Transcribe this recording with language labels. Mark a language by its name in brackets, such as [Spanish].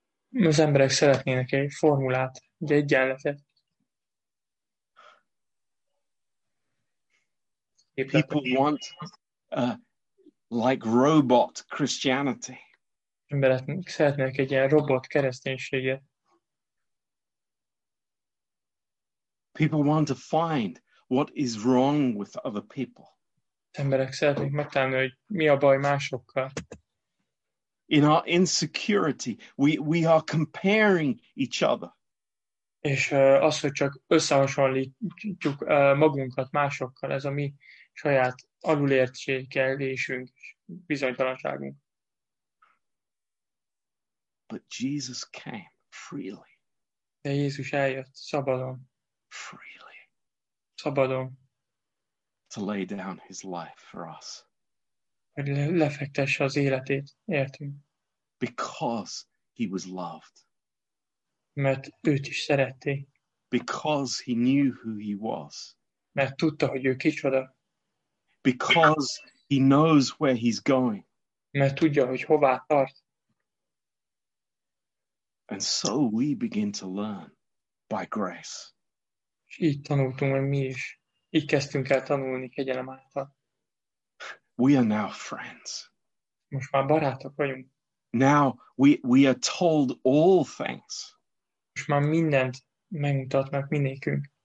[Hungarian] Az emberek szeretnének egy formulát, egy egyenletet. [English] People want like robot Christianity. [Hungarian] Emberek szeretnék egy ilyen robot kereszténységet. [English] People want to find what is wrong with other people. [Hungarian] Emberek szeretnék megtalálni, hogy mi a baj másokkal. [English] In our insecurity, we are comparing each other. [Hungarian] És az, hogy csak összehasonlítjuk magunkat másokkal, ez a mi saját alulértékelésünk és bizonytalanságunk. [English] But Jesus came freely. [Hungarian] De Jézus eljött szabadon. [English] Freely. [Hungarian] Szabadon. [English] To lay down his life for us. [Hungarian] Hogy lefektesse az életét, értünk. [English] Because he was loved. [Hungarian] Mert őt is szerették. [English] Because he knew who he was. [Hungarian] Mert tudta, hogy ő kicsoda. [English] Because he knows where he's going. [Hungarian] Mert tudja, hogy hová tart. [English] And so we begin to learn by grace. [Hungarian] És így tanultunk, hogy mi is. Így kezdtünk el tanulni kegyelem által. [English] We are now friends. [Hungarian] Most már barátok vagyunk. [English] Now we are told all things. [Hungarian] Most már mindent megmutatnak minékünk.